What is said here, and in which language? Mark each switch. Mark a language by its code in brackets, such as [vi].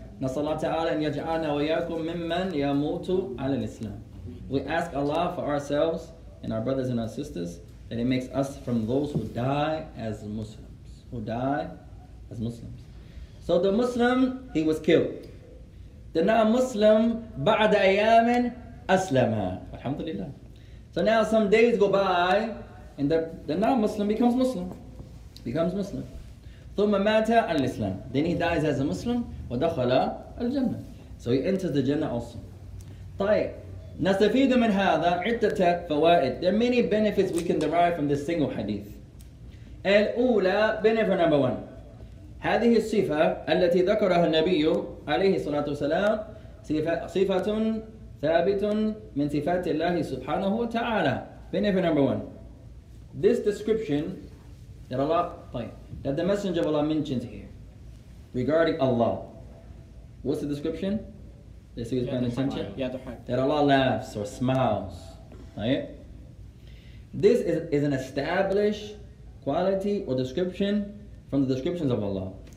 [ar] نسأل الله تعالى أن يجعلنا وإياكم ممن يموت على الإسلام. [en] We ask Allah for ourselves and our brothers and our sisters that He makes us from those who die as Muslims. Who die as Muslims. So the Muslim, he was killed. The non-Muslim, [ar] بعد أيام أسلم. الحمد لله. [en] So now some days go by and the non-Muslim becomes Muslim. Becomes Muslim. [ar] ثم مات الإسلام. [en] Then he dies as a Muslim. [ar] ودخل الجنة. [en] So he enters the Jannah also. طيب. [ar] نستفيد من هذا عدة فوائد. [en] There are many benefits we can derive from this single hadith. الأولى, benefit number one. [ar] هذه الصفة التي ذكرها النبي عليه الصلاة والسلام صفة ثابت من صفات الله سبحانه وتعالى. [en] Benefit number one. This description that Allah, that the Messenger of Allah mentions here regarding Allah. What's the description? This is paying attention. That Allah laughs or smiles. Right? This is an established quality or description from the descriptions of Allah.